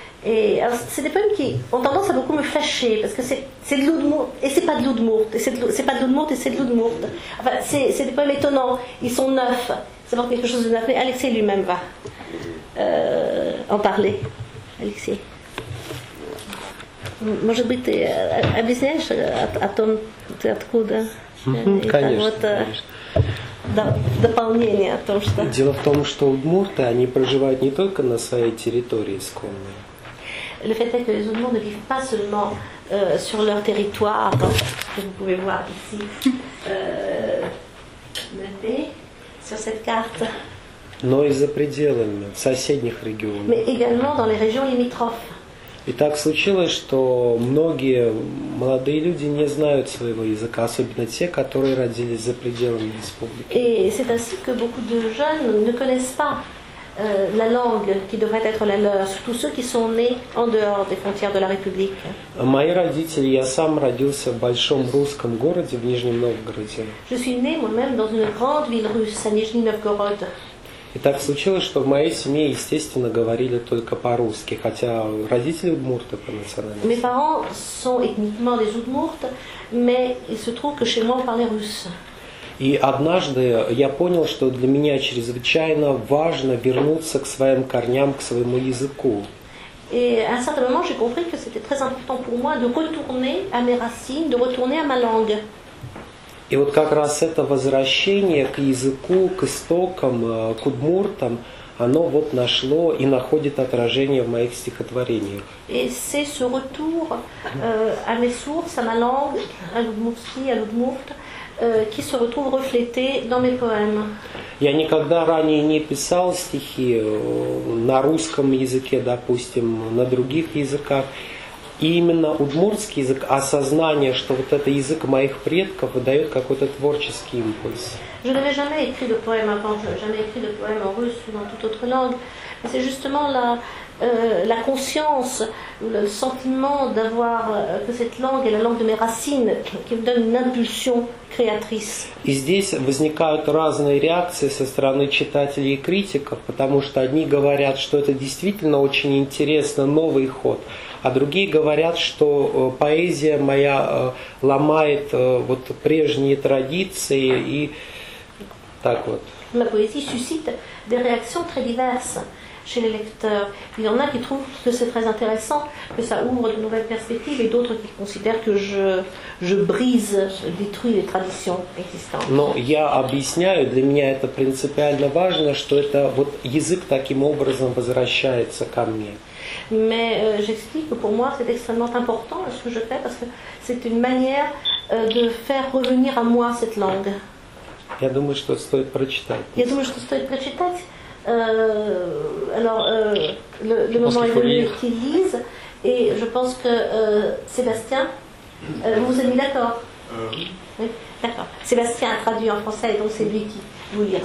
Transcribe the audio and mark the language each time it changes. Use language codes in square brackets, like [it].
[fr] Et alors, c'est des poèmes qui ont tendance à beaucoup me fâcher, parce que c'est de l'Udmurt, et c'est pas de l'Udmurt, et c'est pas de l'Udmurt, et c'est de l'Udmurt. Enfin, c'est des poèmes étonnants, ils sont neufs, c'est pas quelque chose de neuf, mais Alexei lui-même va en parler. Alexei. [ru] Может быть, ты объясняешь о том, ты откуда? Конечно, конечно. Дополнение о том, что... Дело в том, что удмурты, они проживают не только на своей территории исконной, [fr] Le fait est que les Udmurts ne vivent pas seulement sur leur territoire, que vous pouvez voir ici, noté sur cette carte. [ru] Но и за пределами соседних регионов. [fr] Mais également dans les régions limitrophes. [ru] И так случилось, что многие молодые люди не знают своего языка, особенно те, которые родились за пределами республики. [fr] Et c'est ainsi que beaucoup de jeunes ne connaissent pas. La langue qui devrait être la leur, tous ceux qui sont nés en dehors des frontières de la République. [ru] Мои родители, я сам родился в большом русском городе в Нижнем Новгороде. [fr] Je suis né moi-même dans une grande ville russe à Нижний Новгород. [ru] И так случилось, что в моей семье, естественно, говорили только по-русски, хотя родители удмурты по национальности. [fr] Mes parents sont ethniquement des Udmurtes, mais il se trouve que chez moi on parlait russe. [ru] И однажды я понял, что для меня чрезвычайно важно вернуться к своим корням, к своему языку. [fr] Et à un certain moment, j'ai compris que c'était très important pour moi de retourner à mes racines, de retourner à ma langue. Et [ru] вот как раз это возвращение к языку, к истокам, к удмуртам, оно вот нашло и находит отражение в моих стихотворениях. [fr] Et c'est ce retour à mes sources, à ma langue, à l'udmurti, à l'udmurt, qui se retrouve reflété dans mes poèmes. [ru] Я никогда ранее не писал стихи на русском языке, допустим, на других языках. И именно удмуртский язык, осознание, что вот это язык моих предков, выдает какой-то творческий импульс. [fr] Je n'avais jamais écrit de poème avant, jamais écrit de poème en russe ou dans toute autre langue. Mais c'est justement la conscience, le sentiment d'avoir que cette langue est la langue de mes racines qui me donne une impulsion créatrice. [ru] И здесь возникают разные реакции со стороны читателей и критиков, потому что одни говорят, что это действительно очень интересно, новый ход, а другие говорят, что поэзия моя ломает вот прежние традиции и так вот. [fr] Ma poésie suscite des réactions très diverses chez les lecteurs. Il y en a qui trouvent que c'est très intéressant, que ça ouvre de nouvelles perspectives, et d'autres qui considèrent que je détruis les traditions existantes. [ru] Но я объясняю, для меня это принципиально важно, что это вот язык таким образом возвращается ко мне. [fr] Mais j'explique que pour moi c'est extrêmement important ce que je fais parce que c'est une manière de faire revenir à moi cette langue. [ru] Я думаю, что стоит прочитать. Я думаю, что стоит прочитать. [fr] Alors, le moment est venu qu'ils lisent, et je pense que Sébastien, vous avez mis d'accord. Oui, d'accord. Sébastien a traduit en français, donc c'est lui qui vous lira.